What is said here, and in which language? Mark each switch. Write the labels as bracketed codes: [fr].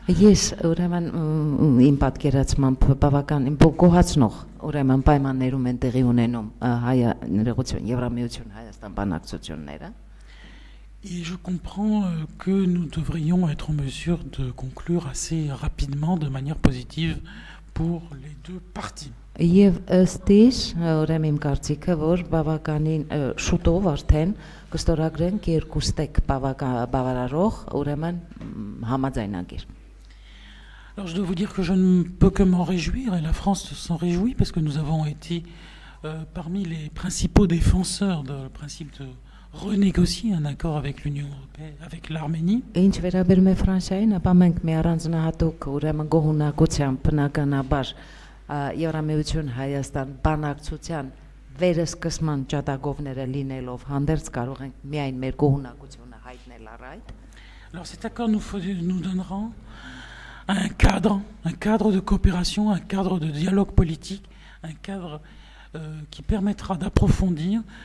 [hy] Yes, ուրեմն իմ պատկերացմամբ բավական գոհացնող ուրեմն պայմաններում են տեղի ունենում Հայ ներողություն, Եվրամիություն, Հայաստան բանակցությունները։ [fr] Et je comprends que nous devrions être en mesure de conclure assez rapidement de manière positive pour les deux parties. [hy] Եվ ըստ իս ուրեմն իմ կարծիքը որ բավականին շուտով արդեն կստորագրենք երկու ստեկ բավարարող ուրեմն համաձայնագիր։ [fr] Alors je dois vous dire que je ne peux que m'en réjouir et la France s'en réjouit parce que nous avons été parmi les principaux défenseurs du principe de renégocier un accord avec l'Union européenne avec l'Arménie. [hy] Ինչ վերաբերում է Ֆրանսիային, ապա մենք մի առանձնահատուկ ուրեմն գողունակությամբ բնականաբար Եվրամիություն Հայաստան բանակցության վերսկսման ճատագովները լինելով հանդերձ կարող ենք միայն մեր գողունակությունը հայտնել առայդ։ [fr] Alors cet accord nous donnera un cadre de coopération, un cadre de dialogue politique, un cadre qui permettra d'approfondir